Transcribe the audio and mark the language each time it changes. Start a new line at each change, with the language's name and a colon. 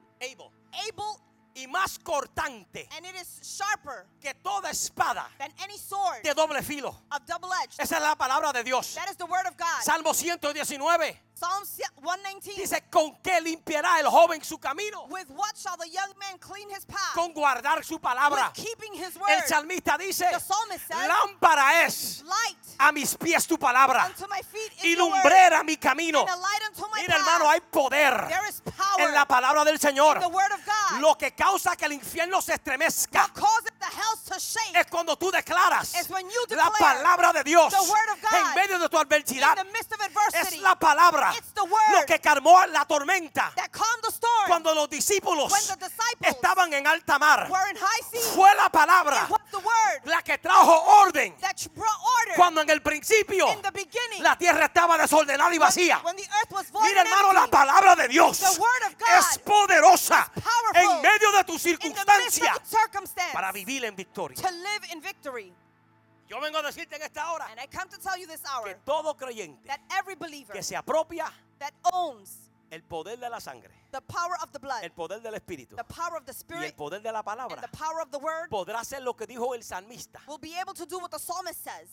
English: able,
Spanish: y más cortante,
English: and it is sharper,
Spanish: que toda espada,
English: than any sword,
Spanish: de doble filo,
English: of double edge.
Spanish: Esa es la palabra de Dios,
English: that is the word of God.
Spanish: Salmo 119,
English: Psalms 119,
Spanish: dice, con qué limpiará el joven su camino,
English: with what shall the young man clean his path,
Spanish: con guardar su palabra,
English: with keeping his word.
Spanish: El salmista dice,
English: the psalmist says,
Spanish: lámpara es,
English: light,
Spanish: a mis pies tu palabra,
English: unto my feet,
Spanish: y lumbrera mi camino. Mira, hermano, hay poder en la palabra del Señor,
English: the word of God,
Spanish: lo que causa que el infierno se estremezca,
English: causes the hells to shake.
Spanish: Es cuando tú declaras
English: is when you declare
Spanish: la palabra de Dios
English: the word of God
Spanish: en medio de tu adversidad.
English: In the midst of adversity.
Spanish: Es la palabra
English: it's the word
Spanish: lo que calmó la tormenta.
English: That calmed the storm.
Spanish: Cuando los discípulos
English: when the disciples
Spanish: estaban en alta mar
English: were in high sea.
Spanish: Fue la palabra
English: it was the word
Spanish: la que trajo orden.
English: That brought order.
Spanish: Cuando en el principio
English: in the beginning
Spanish: la tierra estaba desordenada y vacía.
English: When the earth was void.
Spanish: Mira, hermano, la palabra de Dios es poderosa en medio de tu circunstancia para vivir en victoria.
English: To live in victory.
Spanish: Yo vengo a decirte en esta hora
English: and I come to tell you this hour,
Spanish: que todo creyente
English: that every believer
Spanish: que se apropia
English: that owns
Spanish: el poder de la sangre,
English: the power of the blood,
Spanish: el poder del Espíritu,
English: the power of the Spirit,
Spanish: y el poder de la palabra,
English: and the power of the word,
Spanish: podrá hacer lo que dijo el salmista,
English: will be able to do what the psalmist says,